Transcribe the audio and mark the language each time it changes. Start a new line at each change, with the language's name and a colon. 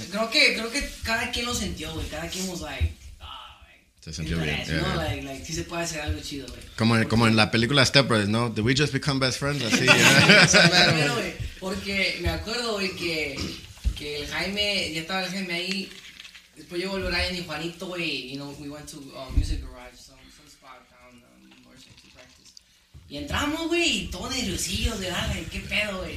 Spanish: Creo que cada quien lo sintió, güey. Cada quien
English: was like,
Spanish: se sintió bien. No, yeah. Like, sí se puede hacer algo chido, güey. Como en la película Step Brothers, ¿no?
English: Did we just become best friends?
Spanish: Así, ¿eh? Porque me acuerdo, güey, que el Jaime, ya estaba el Jaime ahí. Después llegó el Brian y Juanito, güey.
English: You know, we went to Music Garage, some spot down in Morrison to practice.
Spanish: Y entramos, güey, y todo nerviosillo, de darle, ¿qué pedo, güey?